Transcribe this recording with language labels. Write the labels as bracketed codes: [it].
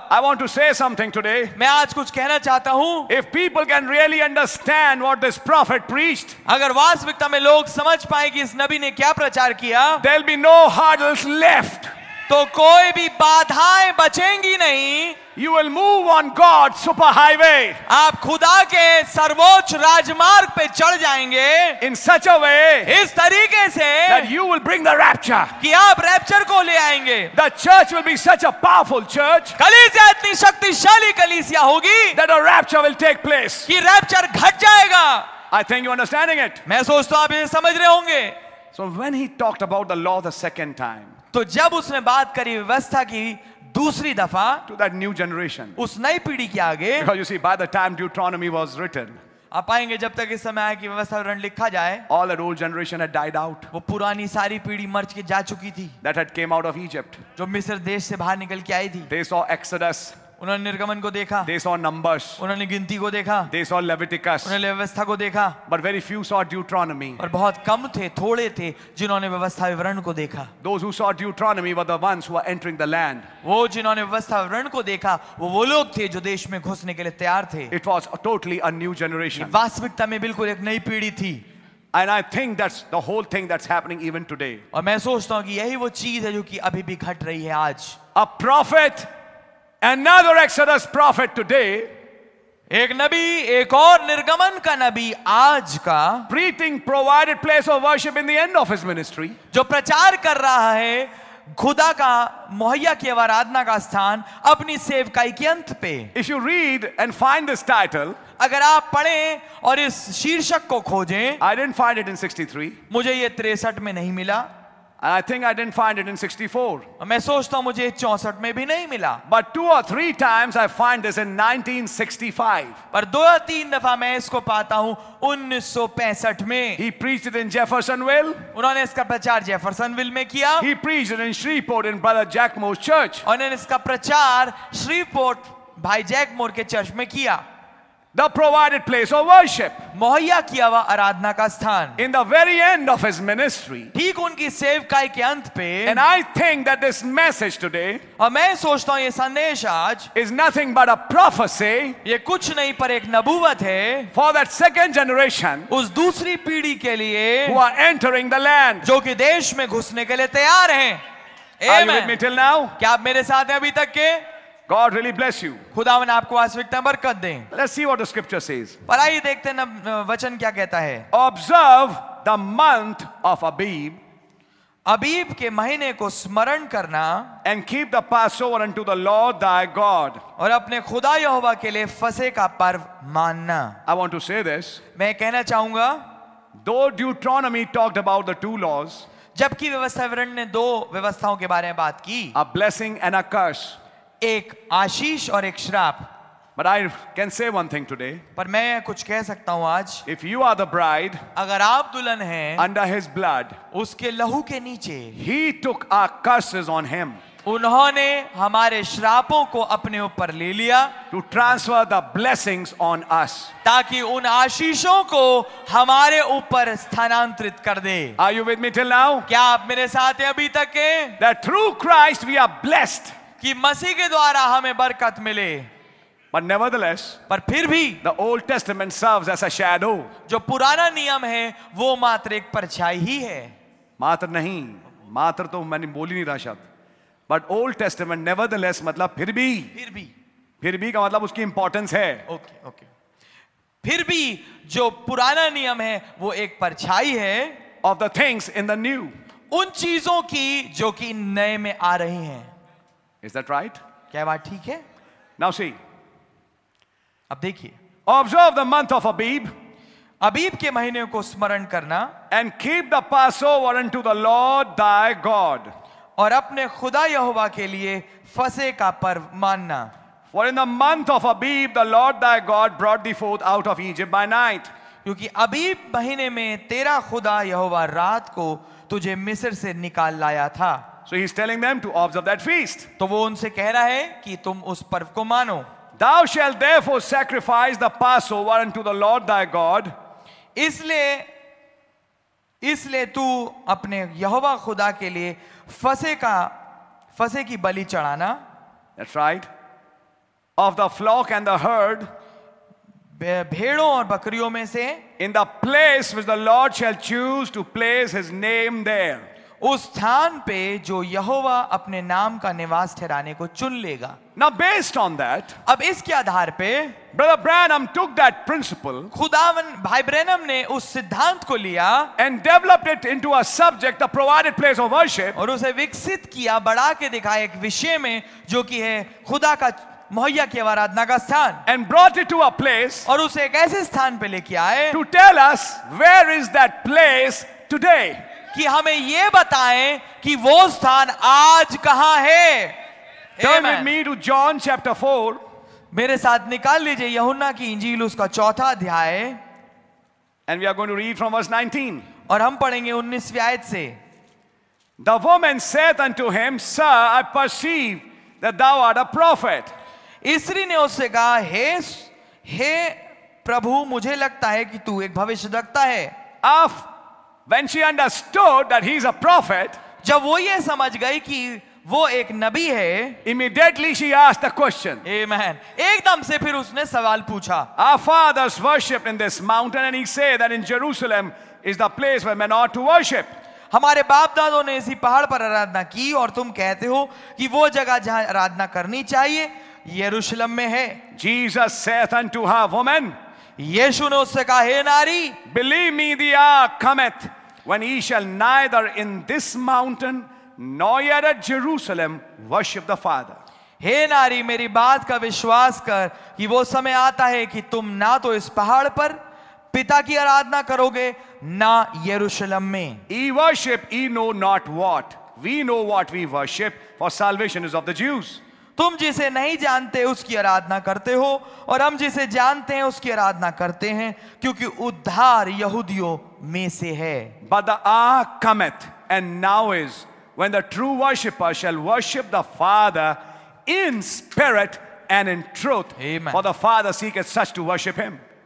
[en] I want to say something today, [hi] मैं आज कुछ कहना चाहता हूँ. [en] if people can really understand what this prophet preached, [hi] अगर वास्तविकता में लोग समझ पाए कि इस नबी ने क्या प्रचार किया, [en] there will be no hurdles left, [hi] तो कोई भी बाधाएं बचेंगी नहीं. [en] You will move on God's super highway, [hi] आप खुदा के सर्वोच्च राजमार्ग पे चढ़ जाएंगे. [en] In such a way, [hi] इस तरीके से, [en] that you will bring the rapture, [hi] कि आप रैप्चर को ले आएंगे. [en] The church will be such a powerful church, [hi] कलीसिया इतनी शक्तिशाली कलीसिया होगी, [en] that a rapture will take place, [hi] कि रैप्चर घट जाएगा. [en] I think you're understanding it, [hi] मैं सोचता हूं आप ये समझ रहे होंगे. [en] So when he talked about the law the second time, [hi] तो जब उसने बात करी व्यवस्था की दूसरी दफा [en] to that new generation, [hi] उस नई पीढ़ी के आगे, [en] because you see by the time Deuteronomy was written, [hi] आप आएंगे जब तक इस समय आए कि व्यवस्था विवरण लिखा जाए, [en] all the old generation had died out, [hi] वो पुरानी सारी पीढ़ी मर के जा चुकी थी. [en] that had came out of Egypt, [hi] जो मिस्र देश से बाहर निकल के आई थी. [en] they saw Exodus, [hi] उन्होंने निर्गमन को देखा. [en] they saw Numbers, [hi] उन्होंने गिनती को देखा. [en] they saw Leviticus, [hi] उन्होंने व्यवस्था को देखा. [en] but very few saw Deuteronomy, [hi] और बहुत कम थे, थोड़े थे जिन्होंने व्यवस्था विवरण को देखा. [en] Those who saw Deuteronomy were the ones who were entering the land, [hi] वो जिन्होंने व्यवस्था विवरण को देखा वो लोग थे जो देश में घुसने के लिए तैयार थे. [en] it was totally a new generation, [hi] वास्तविकता में बिल्कुल एक नई पीढ़ी थी. [en] And I think that's the whole thing that's happening even today, [hi] और मैं सोचता हूँ कि यही वो चीज है जो कि अभी भी घट रही है आज. [en] A prophet, another Exodus prophet today, [hi] एक नबी, एक और निर्गमन का नबी आज का, [en] preaching provided place of worship in the end of his ministry, [hi] जो प्रचार कर रहा है खुदा का मुहैया किया हुआ आराधना का स्थान अपनी सेवकाई के अंत पे. [en] if you read and find this title, [hi] अगर आप पढ़ें और इस शीर्षक को खोजें, [en] I didn't find it in 63, [hi] मुझे ये 63 में नहीं मिला. [en] And I think I didn't find it in 64. [hi] मैं सोचता हूँ मुझे 64 में भी नहीं मिला. [en] But two or three times I find this in 1965. [hi] पर दो या तीन दफा मैं इसको पाता हूँ 1965 में. [en] He preached it in Jeffersonville. [hi] उन्होंने इसका प्रचार जेफरसनविल में किया. [en] He preached it in Shreveport in Brother Jack Moore's church. [hi] उन्होंने इसका प्रचार श्रीपोर्ट भाई जैक मोर के चर्च में किया. [en] The provided place of worship. [hi] मुहैया किया हुआ आराधना का स्थान. [en] In the very end of his ministry. [hi] ठीक उनकी सेवकाई के अंत पे. [en] And I think that this message today. [hi] और मैं सोचता हूँ ये संदेश आज. [en] Is nothing but a prophecy. [hi] ये कुछ नहीं पर एक नबुवत है. [en] For that second generation. [hi] उस दूसरी पीढ़ी के लिए. [en] Who are entering the land. [hi] जो कि देश में घुसने के लिए तैयार हैं. [en] Amen. Are you with me till now? [hi] क्या आप मेरे साथ हैं अभी तक के? [en] God really bless you. [hi] खुदावन आपको वास्तविकता में बरकत दें. [en] Let's see what the scripture says. [hi] पर आइए देखते हैं वचन क्या कहता है. [en] Observe the month of Abib. [hi] अबीब के महीने को स्मरण करना. [en] And keep the Passover unto the Lord thy God. [hi] और अपने खुदा यहोवा के लिए फसे का पर्व मानना. [en] I want to say this. [hi] मैं कहना चाहूंगा. [en] Though Deuteronomy talked about the two laws. [hi] जबकि व्यवस्था विवरण ने दो व्यवस्थाओं के बारे में बात की. [en] A blessing and a curse. [hi] एक आशीष और एक श्राप. [en] But I can say one thing today. [hi] पर मैं कुछ कह सकता हूं आज. [en] If you are the bride, [hi] अगर आप दुल्हन हैं, [en] under his blood, [hi] उसके लहू के नीचे, [en] he took our curses on him. [hi] उन्होंने हमारे श्रापों को अपने ऊपर ले लिया. [en] To transfer the blessings on us. [hi] ताकि उन आशीषों को हमारे ऊपर स्थानांतरित कर दे. [en] Are you with me till now? [hi] क्या आप मेरे साथ हैं अभी तक के? [en] That through Christ we are blessed. [hi] कि मसीह के द्वारा हमें बरकत मिले. [en] But nevertheless, [hi] पर फिर भी, [en] the Old Testament serves as a shadow. [hi] जो पुराना नियम है वो मात्र एक परछाई ही है. मात्र नहीं, मात्र तो मैंने बोली नहीं रहा शब्द. [en] But Old Testament nevertheless [hi] मतलब फिर भी का मतलब उसकी इंपॉर्टेंस है. ओके. फिर भी जो पुराना नियम है वो एक परछाई है. [en] Of the things in the new. [hi] उन चीजों की जो कि नए में आ रही हैं. [en] Is that right? [hi] क्या बात ठीक है? [en] Now see. [hi] अब देखिए. [en] Observe the month of Abib. [hi] अबीब के महीने को स्मरण करना. [en] And keep the Passover unto the Lord thy God. [hi] और अपने खुदा यहोवा के लिए फसे का पर्व मानना. [en] For in the month of Abib, the Lord thy God brought thee forth out of Egypt by night. [hi] क्योंकि अबीब महीने में तेरा खुदा यहोवा रात को तुझे मिस्र से निकाल लाया था. [en] So he's telling them to observe that feast. [hi] तो वो उनसे कह रहा है कि तुम उस पर्व को मानो. [en] Thou shalt therefore sacrifice the Passover unto the Lord thy God. [hi] इसलिए तू अपने यहोवा खुदा के लिए फसे की बलि चढ़ाना. [en] That's right. Of the flock and the herd. [hi] भेड़ों और बकरियों में से. [en] In the place which the Lord shall choose to place His name there. [hi] उस स्थान पे जो यहोवा अपने नाम का निवास ठहराने को चुन लेगा. [en] Now based on that, [hi] अब इसके आधार पे, [en] Brother Branham took that principle, [hi] खुदावन भाई ब्रैनम ने उस सिद्धांत को लिया, [en] and developed it into a subject, the provided place of worship, [hi] और उसे विकसित किया, बढ़ा के दिखा एक विषय में, जो कि है खुदा का मुहैया की आराधना का स्थान, [en] and brought it to a place, [hi] और उसे एक ऐसे स्थान पे लेके आए, [en] to tell us where is that place today. [hi] कि हमें ये बताएं कि वो स्थान आज कहां है. [en] Turn with me to John chapter 4. [hi] मेरे साथ निकाल लीजिए यहुन्ना की इंजील उसका चौथा अध्याय. [en] And we are going to read from verse 19. [hi] और हम पढ़ेंगे 19वीं आयत से. [en] The woman said unto him, Sir, I perceive that thou art a prophet. [hi] स्त्री ने उससे कहा, हे प्रभु, मुझे लगता है कि तू एक भविष्यद्वक्ता है. [en] When she understood that he is a prophet, [hi] जब वो ये समझ गई कि वो एक नबी है, [en] immediately she asked the question. Amen. [hi] एकदम से फिर उसने सवाल पूछा. [en] Our fathers worshipped in this mountain, and he said that in Jerusalem is the place where men ought to worship. [hi] हमारे बाप दादों ने इसी पहाड़ पर आराधना की, और तुम कहते हो कि वो जगह जहाँ आराधना करनी चाहिए यरूशलम में है. [en] Jesus saith unto her, woman. [hi] यीशु ने उससे कहा, हे नारी, [en] Believe me the hour cometh when he shall neither in this mountain nor yet at Jerusalem, worship the Father. [hi] हे नारी मेरी बात का विश्वास कर कि वो समय आता है कि तुम ना तो इस पहाड़ पर पिता की आराधना करोगे ना यरूशलम में. [en] E worship, e know not what. We know what we worship, for salvation is of the Jews. [hi] तुम जिसे नहीं जानते उसकी आराधना करते हो और हम जिसे जानते हैं उसकी आराधना करते हैं क्योंकि उद्धार यहूदियों में से है. [en] But the hour cometh and now is when the true worshipper shall worship the Father in spirit and in truth. Amen. For the Father seeketh such to worship him.